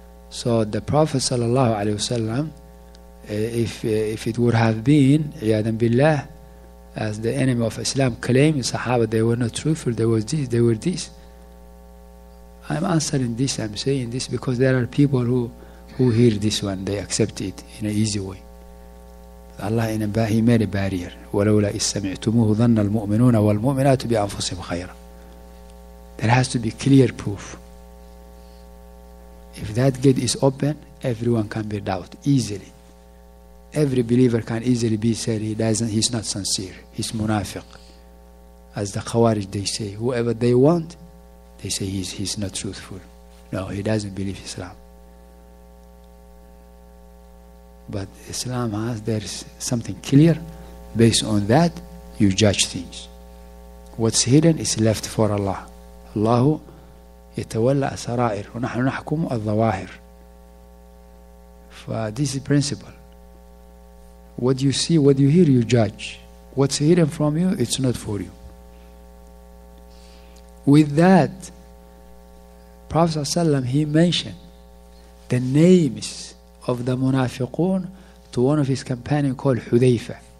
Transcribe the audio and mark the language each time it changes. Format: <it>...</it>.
<en>So the Prophet sallallahu alayhi wasallam, if it would have been iyadan billah, as the enemy of Islam claimed, Sahaba they were not truthful, they were this. I'm answering this, I'm saying this because there are people who hear this one, they accept it in an easy way. Allah in a he made a barrier.</en> <ar>ولولا إذ سمعتموه ظن المؤمنون والمؤمنات بأنفسهم خيرا.</ar> <en>There has to be clear proof. If that gate is open, everyone can be doubt easily. Every believer can easily be said he's not sincere. He's munafiq. As the Khawarij, they say, whoever they want, they say he's not truthful. No, he doesn't believe Islam. But Islam has, there's something clear. Based on that, you judge things. What's hidden is left for Allah.</en> <ar>الله يتولى أسرائر ونحن نحكم الظواهر.</ar> <en>This is principle. What you see, what you hear, you judge. What's hidden from you, it's not for you. With that, Prophet ﷺ, he mentioned the names of the munafiqun to one of his companions called Hudhayfa.</en>